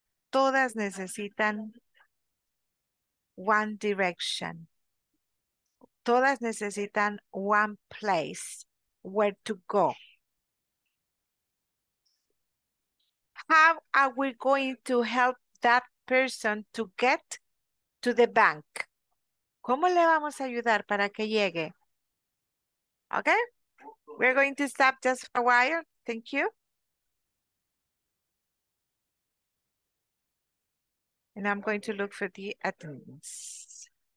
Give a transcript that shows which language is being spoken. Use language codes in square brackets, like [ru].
[es] Todas necesitan [en] one direction. [es] Todas necesitan [en] one place where to go. How are we going to help that person to get to the bank. [es] ¿Cómo le vamos a ayudar para que llegue? [en] Okay, we're going to stop just for a while. Thank you. And I'm going to look for the attendance.